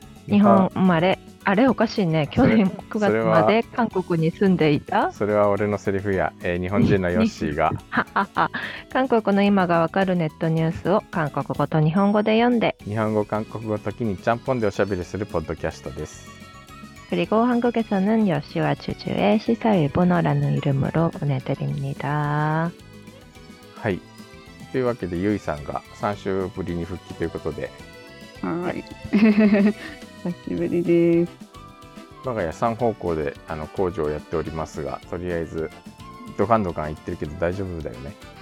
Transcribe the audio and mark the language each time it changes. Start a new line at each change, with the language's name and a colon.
Japanese: 日本生まれ、あれおかしいね、去年9月まで韓国に住んでいた、それは俺のセリフや、日本人のヨッシーが韓国の今がわかるネットニュースを韓国語と日本語で読んで、日本語韓国語時にちゃんぽんでおしゃべりするポッドキャストです。
Korean: 그리고한국에서는여시와주주의시사일본어라는이름으로보내드립니다。
Japanese: はい。というわけで、ゆいさんが3週ぶりに復帰ということで。はい。久しぶりです。我が家3方向で工事をやっておりますが、とりあえずドカンドカン言ってるけど大丈夫だよね。